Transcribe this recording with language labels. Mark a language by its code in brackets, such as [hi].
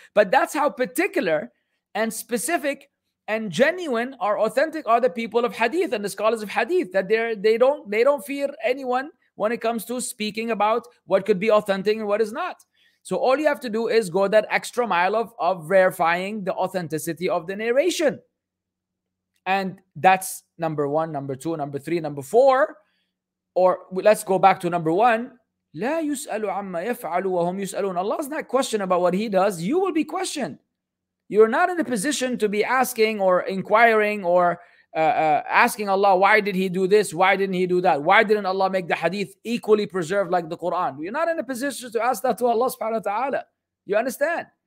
[en] But that's how particular and specific and genuine or authentic are the people of hadith and the scholars of hadith, that they don't fear anyone when it comes to speaking about what could be authentic and what is not. So all you have to do is go that extra mile of verifying the authenticity of the narration. And that's number one, number two, number three, number four. Or let's go back to number one. [ar] لا يسألوا عما يفعلوا وهم يسألون. [en] Allah is not questioned about what He does. You will be questioned. You're not in a position to be asking or inquiring or asking Allah, why did He do this? Why didn't He do that? Why didn't Allah make the hadith equally preserved like the Quran? You're not in a position to ask that to Allah subhanahu wa ta'ala. You understand?